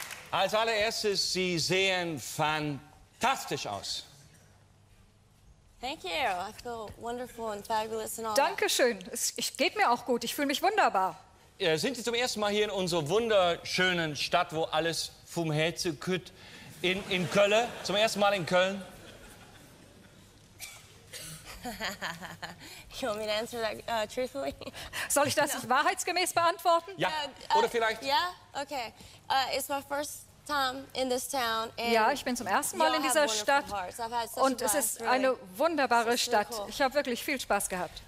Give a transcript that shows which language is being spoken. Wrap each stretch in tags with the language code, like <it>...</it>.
<de>Als allererstes, Sie sehen fantastisch aus.</de> <en>Thank you. I feel wonderful and fabulous and all.</en> <de>Dankeschön. Es geht mir auch gut. Ich fühle mich wunderbar. Sind Sie zum ersten Mal hier in unserer wunderschönen Stadt, wo alles vom Hälse kütt, in Köln? Zum ersten Mal in Köln?</de> <en>You want me to answer that truthfully?</en> <de>Soll ich das wahrheitsgemäß beantworten? Ja, oder vielleicht?</de> <en>Yeah, okay. It's my first</en> <de>Ja, ich bin zum ersten Mal in dieser Stadt und es ist eine wunderbare Stadt. Ich habe wirklich viel Spaß gehabt.</de>